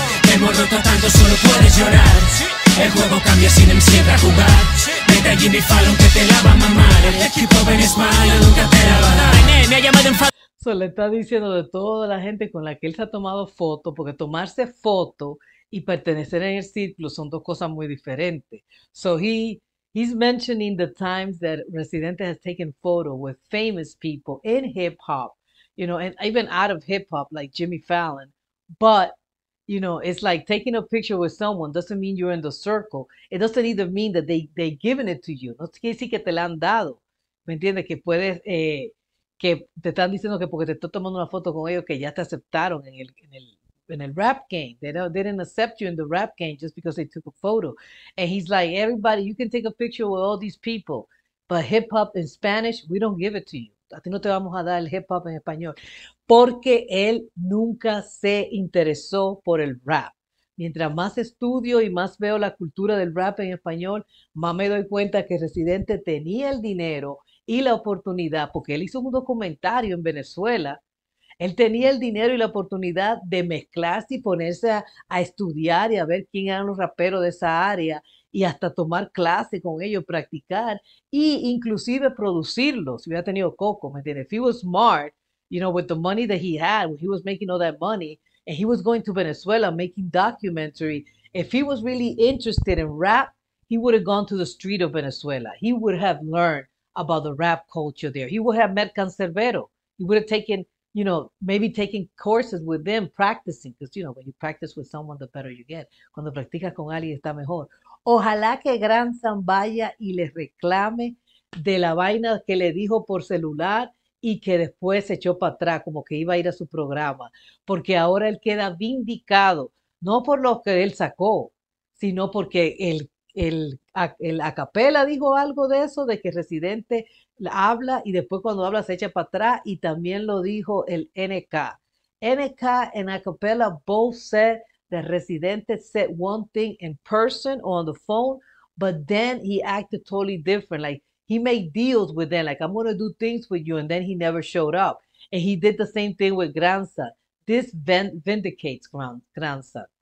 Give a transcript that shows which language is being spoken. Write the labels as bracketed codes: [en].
[es] Te hemos roto tanto, solo puedes llorar. El juego cambia sin MC a jugar. Vete a Jimmy Fallon que te la va a mamar. El equipo Ben es malo, nunca te la va a dar. Me ha llamado en Se le está diciendo de toda la gente con la que él se ha tomado foto, porque tomarse foto y pertenecer en el círculo son dos cosas muy diferentes. [en] So he's mentioning the times that Residente has taken photo with famous people in hip hop, you know, and even out of hip hop like Jimmy Fallon. But, you know, it's like taking a picture with someone doesn't mean you're in the circle. It doesn't even mean that they've given it to you. [es] No quiere decir que te la han dado. ¿Me entiendes? Que puedes, que te están diciendo que porque te estás tomando una foto con ellos que ya te aceptaron en el rap game. [en] They didn't accept you in the rap game just because they took a photo. And he's like, everybody, you can take a picture with all these people, but hip hop in Spanish, we don't give it to you. [es] A ti no te vamos a dar el hip hop en español. Porque él nunca se interesó por el rap. Mientras más estudio y más veo la cultura del rap en español, más me doy cuenta que Residente tenía el dinero y la oportunidad, porque él hizo un documentario en Venezuela. Él tenía el dinero y la oportunidad de mezclarse y ponerse a estudiar y a ver quién eran los raperos de esa área y hasta tomar clase con ellos, practicar e inclusive producirlos. Si hubiera tenido coco, ¿me entiendes? [en] If he was smart, you know, with the money that he had, when he was making all that money, and he was going to Venezuela making documentary, if he was really interested in rap, he would have gone to the street of Venezuela. He would have learned about the rap culture there. He would have met Canserbero. He would have taken, you know, maybe taking courses with them, practicing, because you know, when you practice with someone, the better you get. [es] Cuando practicas con alguien, está mejor. Ojalá que Grandson vaya y le reclame de la vaina que le dijo por celular y que después se echó para atrás, como que iba a ir a su programa, porque ahora él queda vindicado, no por lo que él sacó, sino porque el acapela dijo algo de eso, de que Residente habla y después cuando habla se echa para atrás y también lo dijo el NK. [en] NK and Acapella both said that Residente said one thing in person or on the phone, but then he acted totally different. Like he made deals with them, like I'm gonna do things with you, and then he never showed up. And he did the same thing with grandson. This vindicates grandson.